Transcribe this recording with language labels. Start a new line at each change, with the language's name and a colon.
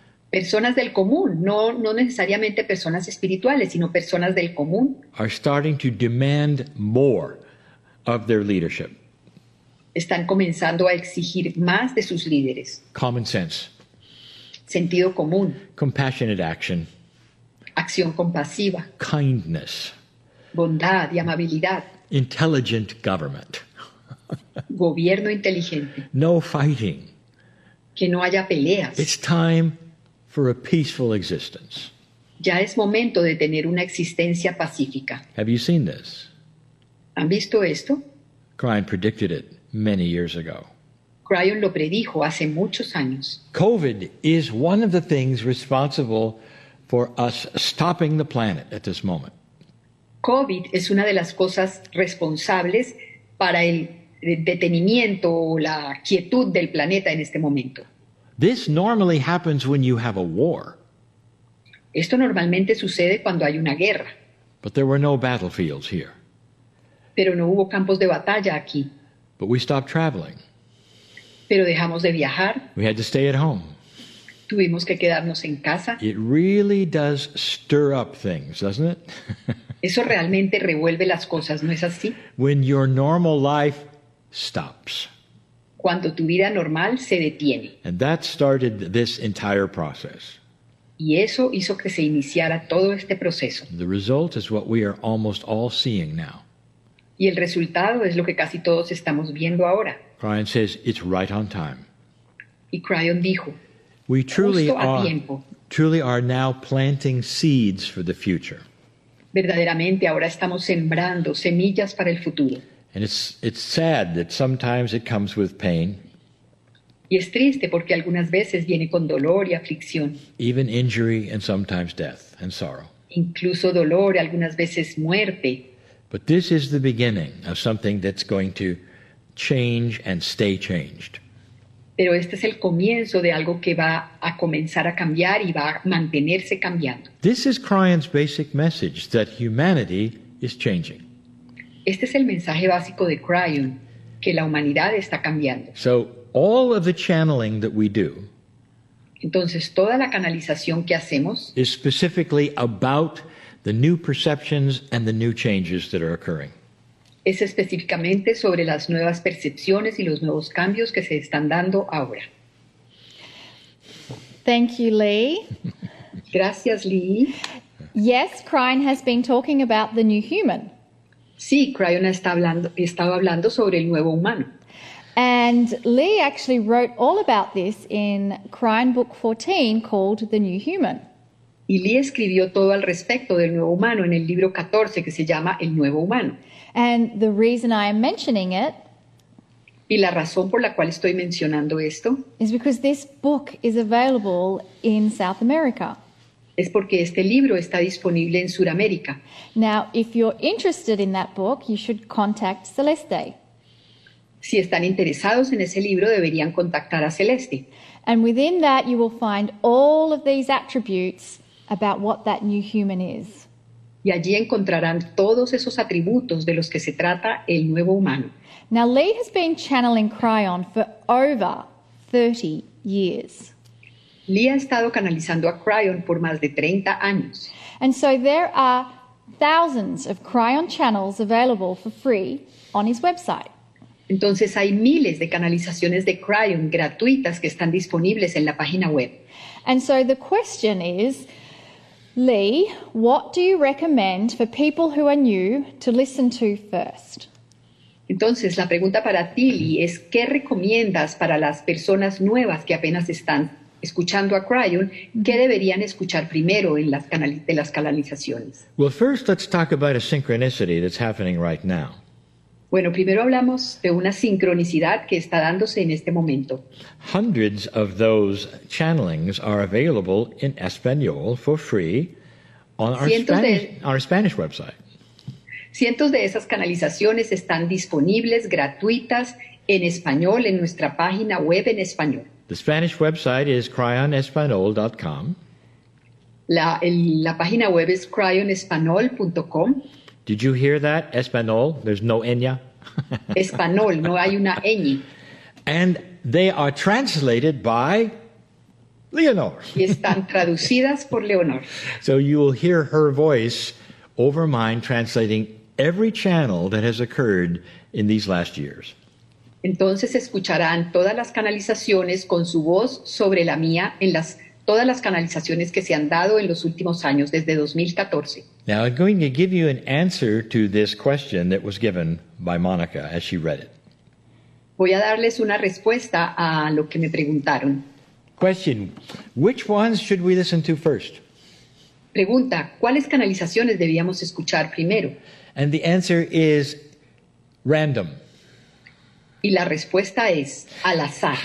Spanish: personas del común, no necesariamente personas espirituales, sino personas del común,
English: are starting to demand more of their leadership.
Spanish: Están comenzando a exigir más de sus líderes.
English: Common sense.
Spanish: Sentido común.
English: Compassionate action.
Spanish: Acción compasiva.
English: Kindness.
Spanish: Bondad y amabilidad.
English: Intelligent government.
Spanish: Gobierno inteligente.
English: No fighting.
Spanish: Que no haya peleas.
English: It's time for a peaceful existence.
Spanish: Ya es momento de tener una existencia pacífica.
English: Have you seen this?
Spanish: ¿Han visto esto?
English: Cryon predicted it many years ago.
Spanish: Cryon lo predijo hace muchos años.
English: COVID is one of the things responsible for us stopping the planet at this moment.
Spanish: COVID es una de las cosas responsables para el detenimiento o la quietud del planeta en este momento.
English: This normally happens when you have a war.
Spanish: Esto normalmente sucede cuando hay una guerra.
English: But there were no battlefields here.
Spanish: Pero no hubo campos de batalla aquí.
English: But we stopped traveling.
Spanish: Pero dejamos de viajar.
English: We had to stay at home.
Spanish: Tuvimos que quedarnos en casa.
English: It really does stir up things, doesn't it?
Spanish: Eso realmente revuelve las cosas, ¿no es así?
English: When your normal life stops.
Spanish: Cuando tu vida normal se detiene.
English: And that started this entire process.
Spanish: Y eso hizo que se iniciara todo este proceso.
English: The result is what we are almost all seeing now.
Spanish: Y el resultado es lo que casi todos estamos viendo ahora.
English: Cryon says it's right on time.
Spanish: Y Cryon dijo,
English: we truly
Spanish: justo a
English: are,
Spanish: tiempo.
English: Truly are now planting seeds for the future.
Spanish: Verdaderamente ahora estamos sembrando semillas para el futuro.
English: And it's sad that sometimes it comes with pain.
Spanish: Y es triste porque algunas veces viene con dolor y aflicción.
English: Even injury and sometimes death and sorrow.
Spanish: Incluso dolor y algunas veces muerte.
English: But this is the beginning of something that's going to change and stay changed.
Spanish: Pero este es el comienzo de algo que va a comenzar a cambiar y va a mantenerse cambiando.
English: This is Cryon's basic message, that humanity is changing.
Spanish: Este es el mensaje básico de Cryon, que la humanidad está cambiando.
English: So all of the channeling that we do,
Spanish: entonces toda la canalización que hacemos,
English: is specifically about the new perceptions and the new changes that are occurring.
Spanish: Es específicamente sobre las nuevas percepciones y los nuevos cambios que se están dando ahora.
English: Thank you, Lee.
Spanish: Gracias, Lee.
English: Yes, Cryon has been talking about the new human.
Spanish: Sí, Cryon estaba hablando sobre el nuevo humano.
English: And Lee actually wrote all about this in Cryon Book 14 called The New Human.
Spanish: Y Lee escribió todo al respecto del nuevo humano en el libro 14 que se llama El Nuevo Humano.
English: And the reason I am mentioning it,
Spanish: y la razón por la cual estoy mencionando esto,
English: is because this book is available in South America.
Spanish: Es porque este libro está disponible en Sudamérica.
English: Now, if you're interested in that book, you should contact Celeste.
Spanish: Si están interesados en ese libro, deberían contactar a Celeste.
English: And within that, you will find all of these attributes about what that new human is.
Spanish: Y allí encontrarán todos esos atributos de los que se trata el nuevo humano.
English: Now, Lee has been channeling Cryon for over 30 years.
Spanish: Lee ha estado canalizando a Cryon por más de 30 años.
English: And so there are thousands of Cryon channels available for free on his website.
Spanish: Entonces hay miles de canalizaciones de Cryon gratuitas que están disponibles en la página web.
English: And so the question is, Lee, what do you recommend for people who are new to listen to first?
Spanish: Entonces, la pregunta para ti, Lee, es ¿qué recomiendas para las personas nuevas que apenas están escuchando a Cryon? ¿Qué deberían escuchar primero en las canalizaciones?
English: Well, first, let's talk about a synchronicity that's happening right now.
Spanish: Bueno, primero hablamos de una sincronicidad que está dándose en este momento.
English: Hundreds of those channelings are available in Espanol for free on our Spanish website.
Spanish: Cientos de esas canalizaciones están disponibles gratuitas en español en nuestra página web en español.
English: The Spanish website is cryonespanol.com.
Spanish: La página web es cryonespanol.com.
English: Did you hear that? Espanol, there's no ña.
Spanish: Espanol, no hay una ñ.
English: And they are translated by Leonor.
Spanish: Y están traducidas por Leonor.
English: So you will hear her voice over mine translating every channel that has occurred in these last years.
Spanish: Entonces escucharán todas las canalizaciones con su voz sobre la mía en las todas las canalizaciones que se han dado en los últimos años desde 2014.
English: Now I'm going to give you an answer to this question that was given by Monica as she read it.
Spanish: Voy a darles una respuesta a lo que me preguntaron.
English: Question: which ones should we listen to first?
Spanish: Pregunta: ¿cuáles canalizaciones debíamos escuchar primero?
English: And the answer is random.
Spanish: Y la respuesta es al azar.